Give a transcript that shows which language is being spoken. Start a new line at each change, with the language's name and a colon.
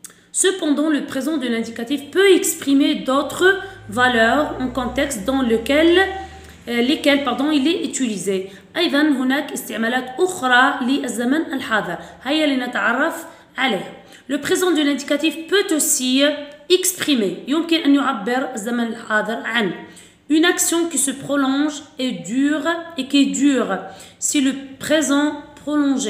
French: Cependant, le présent de l'indicatif peut exprimer d'autres valeurs en contexte dans lequel lesquelles pardon il est utilisé.
Arabic: أيضا هناك استعمالات أخرى للزمن الحاضر. هيا لنتعرف عليها.
French: Le présent de l'indicatif peut aussi exprimer.
Arabic: يمكن أن يعبر الزمن الحاضر عن
French: une action qui se prolonge et dure et qui est dure. C'est le présent prolongé.